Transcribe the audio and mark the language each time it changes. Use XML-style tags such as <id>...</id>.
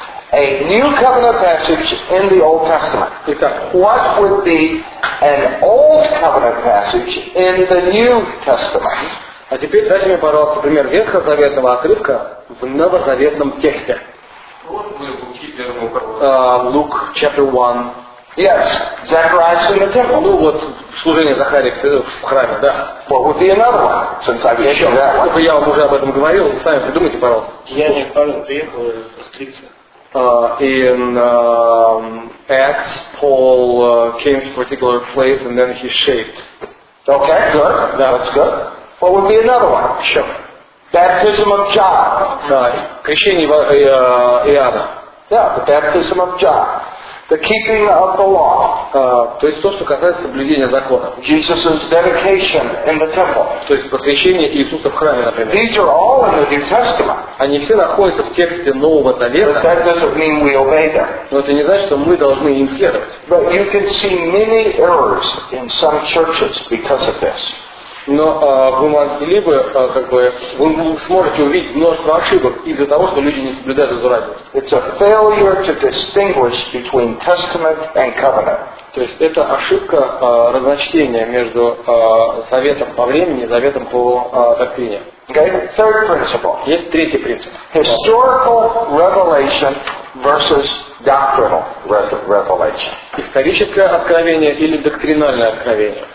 <en>A new covenant passage in the Old Testament. What would be an old covenant passage in the New Testament?</en> <ru>А теперь дайте мне, пожалуйста, пример ветхозаветного отрывка в новозаветном тексте.</ru> <en>Luke chapter 1. Yes, Zacharias in the temple.</en> <ru>Ну вот служение Захарии в храме, да.</ru> <en>What would be another one, since I've mentioned that one?</en> <ru>Чтобы я вам уже об этом говорил, сами придумайте, пожалуйста. Я не помню, приехал постригся.</ru> <en>In Acts, Paul came to a particular place and then he shaved. Okay, good. Yeah. That's good. What would be another one? Sure. Baptism of John.</en> <ru>Да, крещение Иоанна.</ru> <en>Yeah, the baptism of John. The keeping of the law.</en> <ru>То есть то, что касается соблюдения закона.</ru> <en>Jesus's dedication in the temple.</en> <ru>То есть посвящение Иисуса в храме, например.</ru> <en>These are all in the New Testament.</en> <ru>Они все находятся в тексте Нового Завета.</ru> <en>But that doesn't mean we obey them.</en> <ru>Но это не значит, что мы должны им следовать.</ru> <en>But you can see many errors in some churches because of this.</en> <ru>Но вы могли бы, вы сможете увидеть множество ошибок из-за того, что люди не соблюдают эту разницу.</ru> <en>It's a failure to distinguish between testament and covenant.</en> <ru>То есть это ошибка разночтения между заветом по времени и заветом по доктрине.</ru> <en>Okay, third principle.</en> <ru>Есть третий принцип.</ru> <en>Historical revelation versus doctrinal revelation.</en> <ru>Историческое откровение или доктринальное откровение.</ru>